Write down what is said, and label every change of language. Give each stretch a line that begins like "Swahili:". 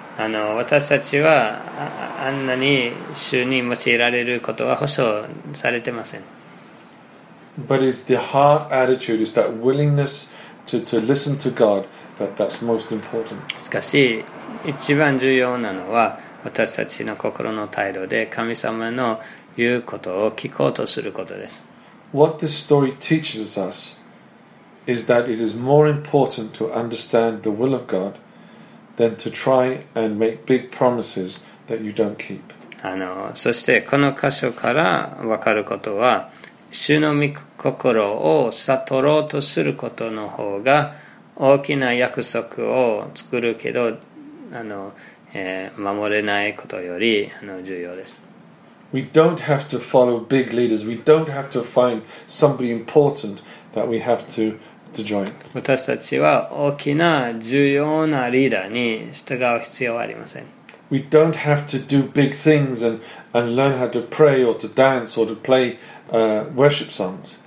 Japanese: あの私たちは あんなに主に用いられることは保証されてません。
English: But it's the heart attitude, it's that willingness to listen to God that's most important.
Japanese: しかし一番重要なのは私たちの心の態度で神様の言うことを聞こうとすることです。
English: What this story teaches us is that it is more important to understand the will of God than to try and make big promises that you don't keep.
Japanese: あの、そしてこの箇所から分かることは、主の御心を悟ろうとすることの方が大きな約束を作るけど、あの、守れないことよりあの重要です。
English: We don't have to follow big leaders. We don't have to find somebody important that we have to join.
Japanese: 私たちは大きな重要なリーダーに従う必要はありません。
English: We don't have to do big things and learn how to pray or to dance or to play worship songs.